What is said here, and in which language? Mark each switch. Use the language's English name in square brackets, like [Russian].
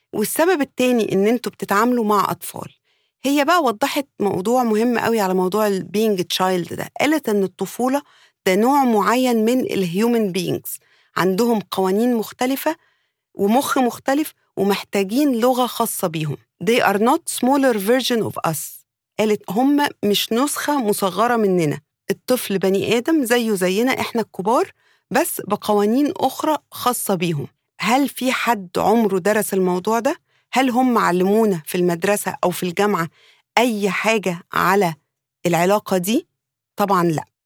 [Arabic] والسبب التاني إن انتوا بتتعاملوا مع أطفال. هي بقى وضحت موضوع مهم قوي على موضوع [English] being a child [Arabic] ده. قالت إن الطفولة ده نوع معين من الهيومن بينجز، عندهم قوانين مختلفة ومخ مختلف ومحتاجين لغة خاصة بيهم. [English] They are not smaller version of us، [Arabic] قالت هم مش نسخة مصغرة مننا. الطفل بني آدم زيه زينا إحنا الكبار، بس بقوانين أخرى خاصة بيهم. هل في حد عمره درس الموضوع ده؟ هل هم علمونا في المدرسة أو في الجامعة أي حاجة على العلاقة دي؟ طبعاً لا.